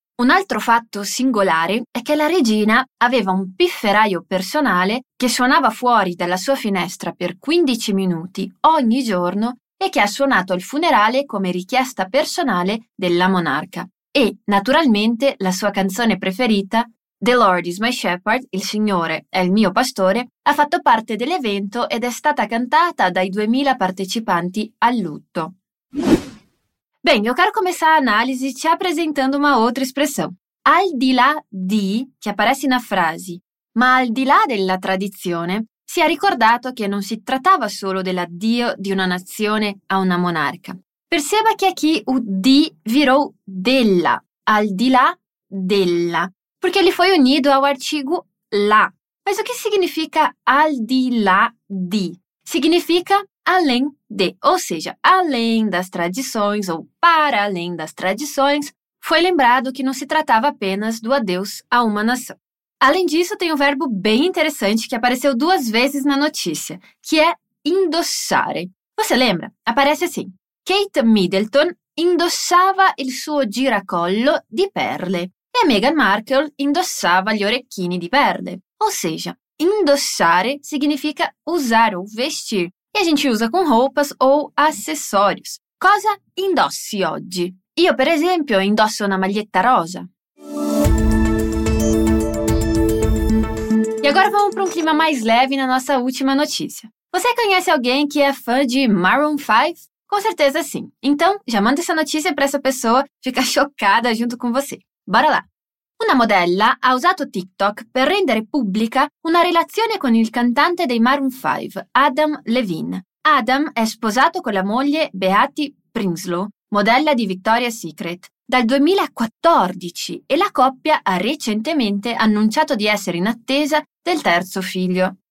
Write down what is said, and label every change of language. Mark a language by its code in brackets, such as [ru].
[it] Un altro fatto singolare è che la regina aveva un pifferaio personale che suonava fuori dalla sua finestra per 15 minuti ogni giorno e che ha suonato al funerale come richiesta personale della monarca. E, naturalmente, la sua canzone preferita, The Lord is my Shepherd, il Signore è il mio pastore, ha fatto parte dell'evento ed è stata cantata dai 2000 partecipanti al lutto. [pt] Bem, eu quero começar a análise te apresentando uma outra expressão. [it] Al di là di, [pt] que aparece na frase, [it] ma al di là della tradizione, si è ricordato che non si trattava solo dell'addio di una nazione a una monarca. [pt] Perceba que aqui o di virou della, al di là della, porque ele foi unido ao artigo la. Mas o que significa al di là di? Significa além de, ou seja, além das tradições ou para além das tradições, foi lembrado que não se tratava apenas do adeus a uma nação. Além disso, tem um verbo bem interessante que apareceu duas vezes na notícia, que é indossare. Você lembra? Aparece assim. [it] Kate Middleton indossava il suo giracollo di perle e Meghan Markle indossava gli orecchini di perle. [pt] Ou seja, indossare significa usar ou vestir. E a gente usa com roupas ou acessórios. [it] Cosa indossi oggi? Io, per esempio, indosso una maglietta rosa. [pt] E agora vamos para clima mais leve na nossa última notícia. Você conhece alguém que é fã de Maroon 5? Com certeza sim. Então, já manda essa notícia para essa pessoa ficar chocada junto com você. Bora lá! [it] Una modella ha usato TikTok per rendere pubblica una relazione con il cantante dei Maroon 5, Adam Levine. Adam è sposato con la moglie Beatty Prinsloo, modella di Victoria's Secret, dal 2014 e la coppia ha recentemente annunciato di essere in attesa del terzo figlio.